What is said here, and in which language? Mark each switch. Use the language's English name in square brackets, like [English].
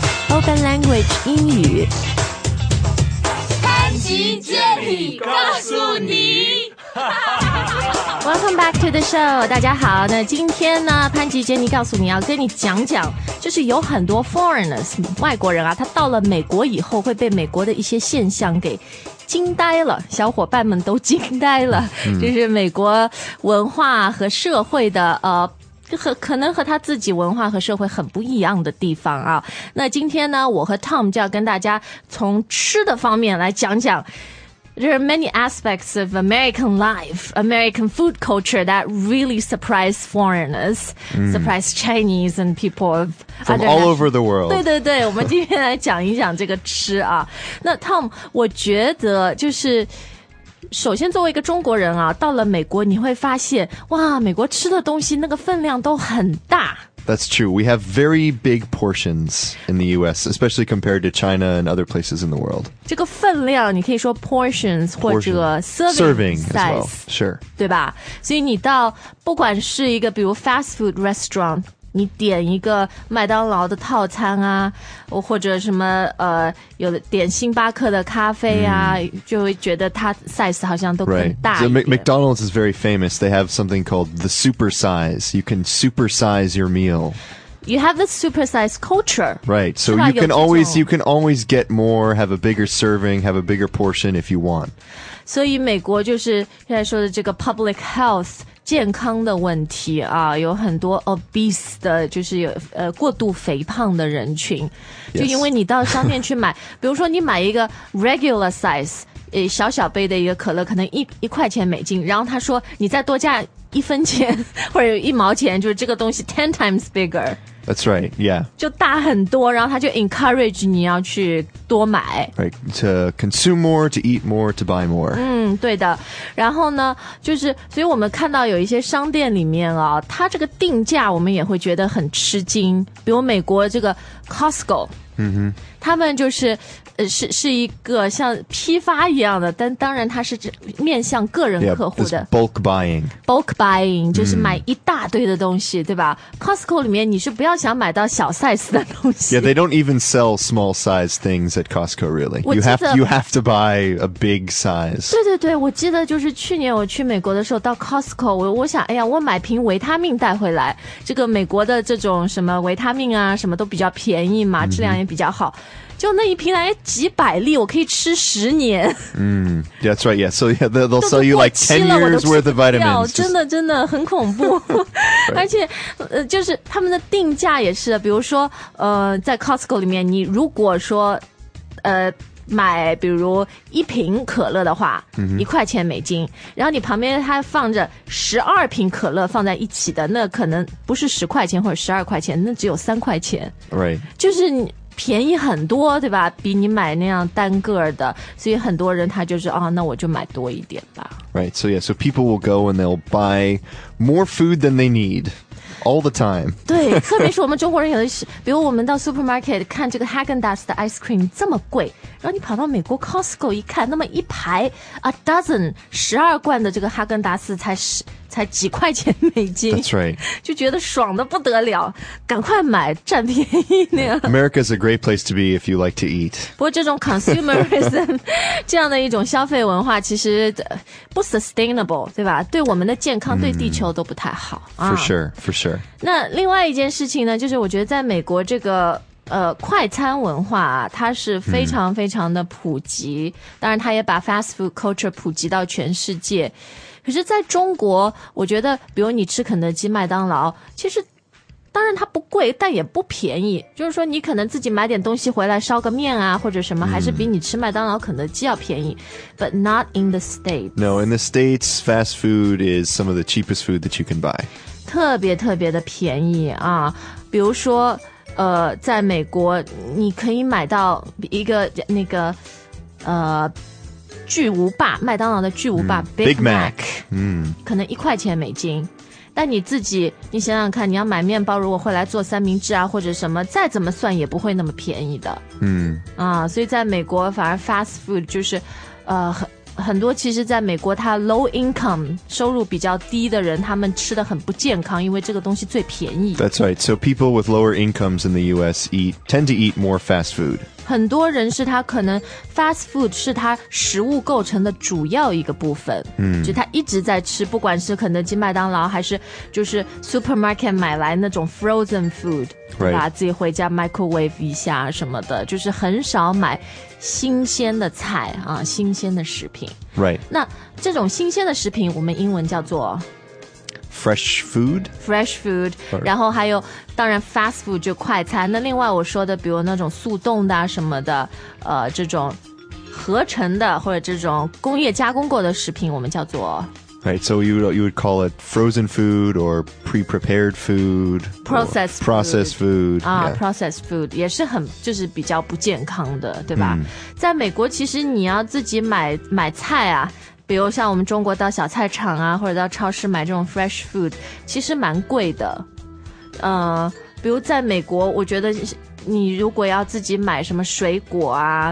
[Chinese] Open Language 英语，潘吉杰里告诉你。 [English] Welcome back to the show， [Chinese] 大家好。那今天呢，潘吉杰里告诉你要跟你讲讲，就是有很多 foreigners 外国人啊，他到了美国以后会被美国的一些现象给惊呆了，小伙伴们都惊呆了，就是美国文化和社会的可能和他自己文化和社会很不一样的地方啊。那今天呢，我和 Tom 就要跟大家从吃的方面来讲讲。 [English] There are many aspects of American life, American food culture that really surprise foreigners,、surprise Chinese and people of from all over the world. [Chinese] 对对对，我们今天来讲一讲这个吃啊。那 Tom， 我觉得就是首先作为一个中国人啊，到了美国你会发现，哇，美国吃的东西那个分量都很大。 [English] That's true. We have very big portions in the U.S., especially compared to China and other places in the world. [Chinese] 这个分量你可以说 portions 或者 serving size, [English] as well. Sure. [Chinese] 对吧？所以你到不管是一个比如 fast food restaurant, 你点一个麦当劳的套餐啊，或者什么有点星巴克的咖啡啊、就会觉得它 size 好像都很大一点。 [English] Right. So McDonald's is very famous. They have something called the supersize. You can supersize your meal. You have the supersize culture. Right. So you can always get more, have a bigger serving, have a bigger portion if you want. [Chinese] 所以美国就是现在说的这个 public health健康的问题啊，有很多 obese 的，就是有过度肥胖的人群。 [English] Yes. [Chinese] 就因为你到商店去买，比如说你买一个 regular size， 小小杯的一个可乐，可能一块钱美金，然后他说你再多加一分钱或者一毛钱，就是这个东西 [English] ten times bigger。 That's right. Yeah. [Chinese] 就大很多，然后他就 encourage 你要去多买。 [English] Right. To consume more, to eat more, to buy more. [Chinese] 对的。然后呢，就是所以我们看到有一些商店里面啊，它这个定价我们也会觉得很吃惊。比如美国这个 Costco， 他们就是是一个像批发一样的，但当然它是面向个人客户的 [English] bulk buying [Chinese] 就是买一大堆的东西，对吧？Costco 里面你是不要想买到小 size 的东西。 [English] Yeah, they don't even sell small size things at Costco really. You have to buy a big size. [Chinese] 对对对，我记得就是去年我去美国的时候到 Costco， 我想哎呀，我买瓶维他命带回来，这个美国的这种什么维他命啊什么都比较便宜嘛，质量也比较好，就那一瓶来几百粒，我可以吃十年。 [English] That's right. Yeah. So yeah, they'll sell you like 10 years worth of vitamins. [Chinese] 真的真的很恐怖。 [English] Right. [Chinese] 而且，就是他们的定价也是，比如说，在 Costco 里面，你如果说，买比如一瓶可乐的话，一块钱美金，然后你旁边它放着12瓶可乐放在一起的，那可能不是10块钱或者12块钱，那只有3块钱。 [English] Right. [Chinese] 就是你。便宜很多，对吧？比你买那样单个的，所以很多人他就是啊，那我就买多一点吧。 [English] Right, so yeah, so people will go and they'll buy more food than they need all the time. [Chinese] 对，特别是我们中国人有的是，比如我们到 supermarket 看这个 Häagen-Dazs 的 ice cream 这么贵，然后你跑到美国 Costco 一看，那么一排 12罐的这个 Häagen-Dazs 才几块钱美金。 [English] That's right. [Chinese] 就觉得爽得不得了，赶快买，占便宜那样。 [English] America is a great place to be if you like to eat. [Chinese] 不过这种 consumerism 这样的一种消费文化其实不 sustainable, 对吧？对我们的健康，对地球都不太好。 [English] For sure, for sure. [Chinese] 那另外一件事情呢，就是我觉得在美国这个快餐文化啊，它是非常非常的普及，当然它也把 fast food culture 普及到全世界。可是在中国，我觉得比如你吃肯德基、麦当劳，其实当然它不贵，但也不便宜。就是说你可能自己买点东西回来烧个面啊或者什么，还是比你吃麦当劳、肯德基要便宜。 [English] But not in the States. No, in the States, fast food is some of the cheapest food that you can buy. [Chinese] 特别特别的便宜啊。比如说在美国你可以买到一个那个巨无霸，麦当劳的巨无霸 [English] Big Mac [Chinese] 可能1块钱美金，但你自己你想想看，你要买面包，如果回来做三明治啊或者什么，再怎么算也不会那么便宜的。所以在美国反而 fast food 就是很多其实在美国他 low income 收入比较低的人他们吃得很不健康因为这个东西最便宜 [English] That's right, so people with lower incomes in the US eat, tend to eat more fast food [Chinese] 很多人是他可能 fast food 是他食物构成的主要一个部分、嗯、就他一直在吃不管是肯德基麦当劳还是就是 supermarket 买来那种 frozen food、 [English] right. [Chinese] 对吧自己回家 microwave 一下什么的就是很少买新鲜的菜啊，新鲜的食品 [English] Right [Chinese] 那这种新鲜的食品我们英文叫做 [English] Fresh food? Fresh food. [Chinese] 然后还有当然 fast food 就快餐。那另外我说的比如那种速冻的啊什么的这种合成的或者这种工业加工过的食品我们叫做 [English] Right, so you would call it frozen food or pre-prepared food. Processed food. 啊、yeah. Processed food. [Chinese] 也是很就是比较不健康的对吧、mm. 在美国其实你要自己买菜啊比如像我们中国到小菜场啊或者到超市买这种 fresh food 其实蛮贵的比如在美国我觉得你如果要自己买什么水果啊、